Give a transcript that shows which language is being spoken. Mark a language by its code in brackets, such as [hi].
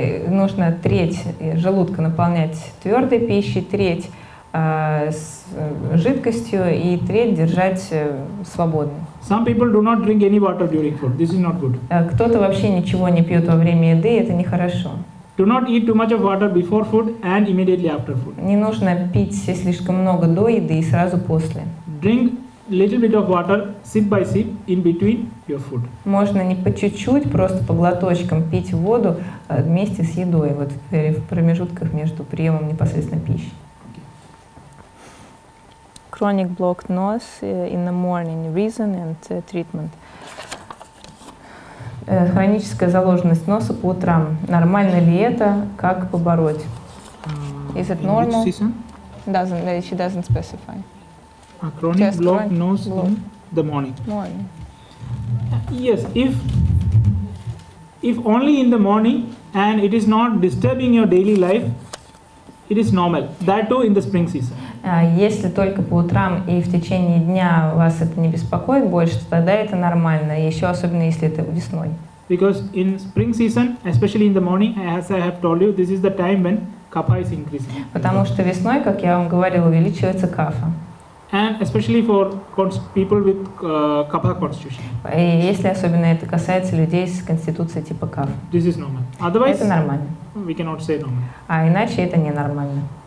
[ru] Нужно треть желудка наполнять твердой пищей, треть с жидкостью и треть держать свободно. [en] Some people do not drink any water during food. This is not good. [ru] Кто-то вообще ничего не пьет во время еды, это нехорошо. [en] Do not eat too much of water before food and immediately after food. [ru] Не нужно пить слишком много до еды и сразу после. [en] Drink little bit of water, sip by sip, in between your food. [ru] Можно не по чуть-чуть, просто по глоточкам пить воду вместе с едой, вот в промежутках между приемом непосредственно пищи. [en] Chronic blocked nose in the morning, reason and treatment. [ru] Хроническая заложенность носа по утрам. Нормально ли это? Как побороть? [en] Is it normal? She doesn't specify. A chronic blocked nose in the morning. Morning. Yes, if only in the morning and it is not disturbing your daily life, it is normal. That too in the spring season. [ru] Если только по утрам и в течение дня вас это не беспокоит больше, тогда это нормально. Еще особенно если это весной. [en] Because in spring season, especially in the morning, as I have told you, this is the time when kapha is increasing. [ru] Потому что весной, как я вам говорила, увеличивается кафа. [en] And especially for people with kapha constitution. [ru] Если особенно это касается людей с конституцией типа каф. [en] This is normal. Otherwise, [ru] это нормально. [en] We cannot say normal. [ru] Иначе это не нормально.